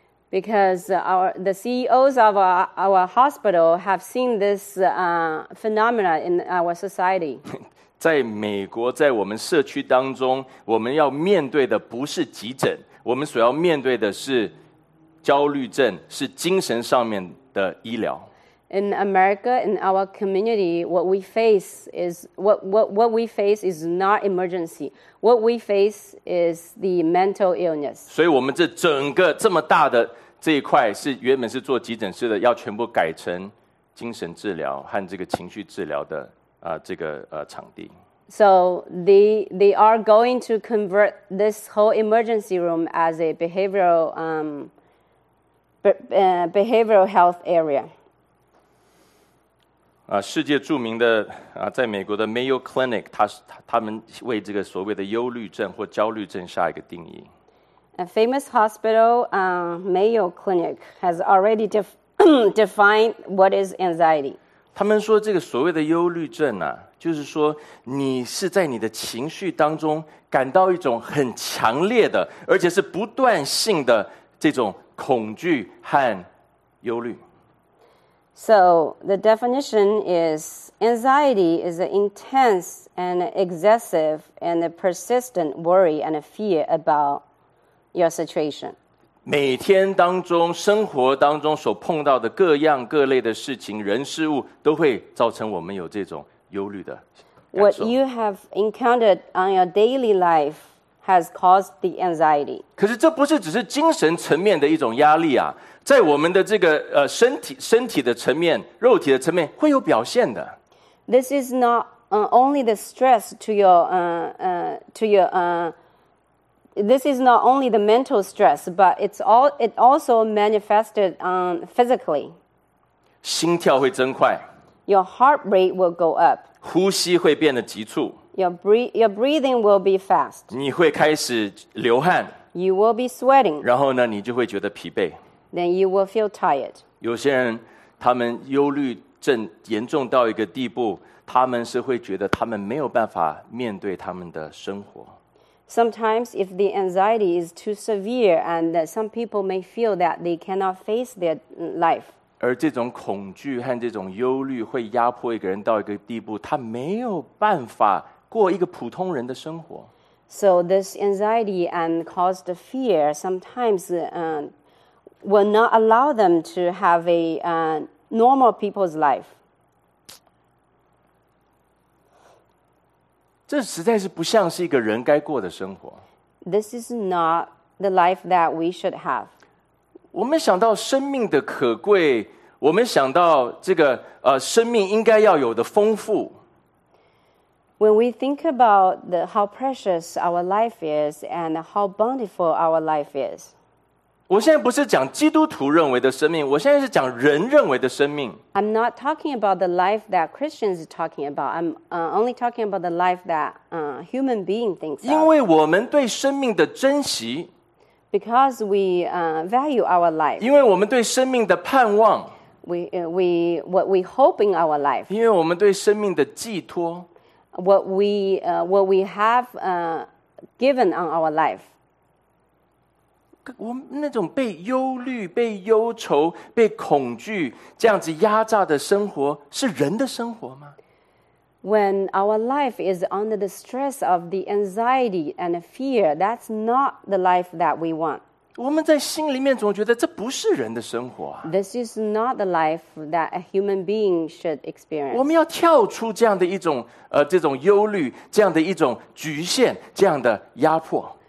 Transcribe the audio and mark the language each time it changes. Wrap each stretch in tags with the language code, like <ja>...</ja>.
<en>Because the CEOs of our hospital have seen this phenomena in our society.</en> <zh>在美国，在我们社区当中，我们要面对的不是急诊，我们所要面对的是焦虑症，是精神上面的医疗。</zh> <en>In America, in our community, what we face is not emergency. What we face is the mental illness.</en> <zh>所以我们这整个这么大的这一块，是原本是做急诊室的，要全部改成精神治疗和这个情绪治疗的。场地。</zh> <en>So they are going to convert this whole emergency room as a behavioral health area.</en> <zh>世界著名的在美国的 Mayo Clinic， 他们为这个所谓的忧虑症或焦虑症下一个定义。</zh> <en>A famous hospital, Mayo Clinic, has already defined what is anxiety.</en> <zh>他们说这个所谓的忧虑症啊，就是说你是在你的情绪当中感到一种很强烈的，而且是不断性的这种恐惧和忧虑。</zh> <en>So the definition is anxiety is an intense and excessive and a persistent worry and a fear about your situation.</en> <zh>每天当中生活当中所碰到的各样各类的事情人事物都会造成我们有这种忧虑的感受。</zh> <en>What you have encountered on your daily life has caused the anxiety.</en> <zh>可是这不是只是精神层面的一种压力啊，在我们的这个身体的层面，肉体的层面会有表现的。</zh> <en>This is not only the stress to your This is not only the mental stress, but it also manifested physically.</en> <zh>心跳会增快。</zh> <en>Your heart rate will go up.</en> <zh>呼吸会变得急促。</zh> <en>Your breathing will be fast.</en> <zh>你会开始流汗。</zh> <en>You will be sweating.</en> <zh>然后呢，你就会觉得疲惫。</zh> <en>Then you will feel tired.</en> <zh>有些人，他们忧虑症严重到一个地步，他们是会觉得他们没有办法面对他们的生活。</zh> <en>Sometimes if the anxiety is too severe and some people may feel that they cannot face their life.</en> <zh>而这种恐惧和这种忧虑会压迫一个人到一个地步，他没有办法过一个普通人的生活。</zh> <en>So this anxiety and caused the fear sometimes will not allow them to have a normal people's life.</en> <zh>这实在是不像是一个人该过的生活。</zh> <en>This is not the life that we should have.</en> <zh>我们想到生命的可贵，我们想到这个生命应该要有的丰富。</zh> <en>When we think about how precious our life is and how bountiful our life is.</en> <zh>我现在不是讲基督徒认为的生命，我现在是讲人认为的生命。</zh> <en>I'm not talking about the life that Christians are talking about. I'm only talking about the life that human being thinks of.</en> <zh>因为我们对生命的珍惜。</zh> <en>Because we value our life.</en> <zh>因为我们对生命的盼望。</zh> <en>What we hope in our life.</en> <zh>因为我们对生命的寄托。</zh> <en>What we have given on our life.</en> <zh>我那种被忧虑、被忧愁、被恐惧这样子压榨的生活，是人的生活吗？</zh> <en>When our life is under the stress of the anxiety and the fear, that's not the life that we want.</en> <zh>我们在心里面总觉得这不是人的生活啊。</zh> <en>This is not the life that a human being should experience.</en> <zh>我们要跳出这样的一种这种忧虑、这样的一种局限、这样的压迫。</zh>